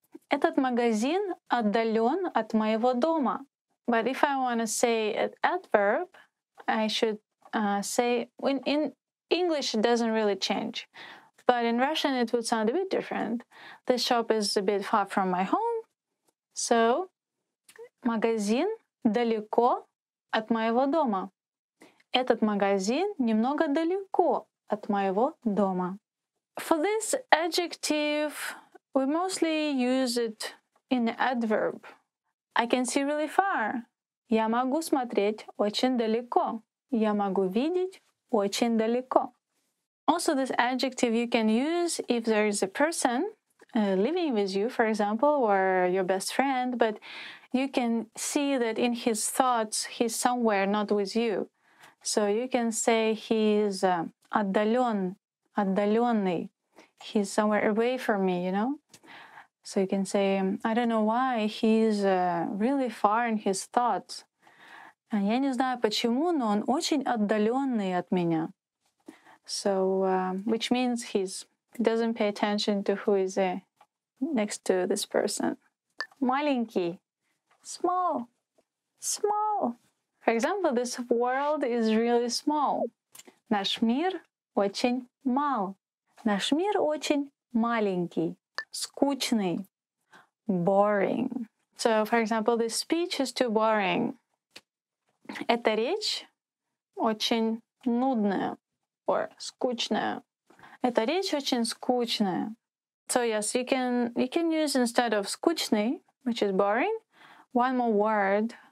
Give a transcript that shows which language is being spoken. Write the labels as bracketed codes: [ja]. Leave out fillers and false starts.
[ru] Этот магазин отдалён от моего дома. [en] But if I want to say an adverb, I should say, in English it doesn't really change. But in Russian it would sound a bit different. This shop is a bit far from my home. [ru] So, магазин далеко от моего дома. Этот магазин немного далеко от моего дома. [en] For this adjective, we mostly use it in adverb. I can see really far. [ru] Я могу смотреть очень далеко. Я могу видеть очень далеко. [en] Also, this adjective you can use if there is a person living with you, for example, or your best friend, but you can see that in his thoughts he's somewhere not with you. So you can say he's отдалён, отдалённый. He's somewhere away from me, you know? So you can say, I don't know why he's really far in his thoughts. [ru] Я не знаю почему, но он очень отдалённый от меня. [en] So, which means he doesn't pay attention to who is next to this person. Маленький. Small. Small. For example, this world is really small. [ru] Наш мир очень мал. Наш мир очень маленький. Скучный. Boring. [en] So, for example, this speech is too boring. [ru] Эта речь очень нудная. Or скучная. Эта речь очень скучная. [en] So yes, you can use instead of скучный, which is boring, one more word.